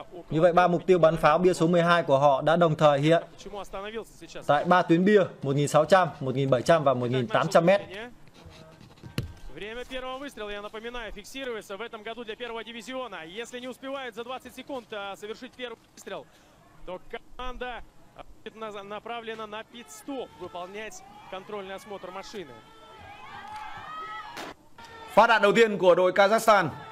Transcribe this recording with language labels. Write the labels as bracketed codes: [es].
[vi] Như vậy ba mục tiêu bắn pháo bia số 12 của họ đã đồng thời hiện tại ba tuyến bia 1600, 1700 và 1800m. [ru] Время первого выстрела, я напоминаю, фиксируется в этом году для первого дивизиона. Если не успевает за 20 секунд совершить первый выстрел, то команда будет направлена на пит-стоп выполнять контрольный осмотр машины. [vi] Phát đạn đầu tiên của đội Kazakhstan.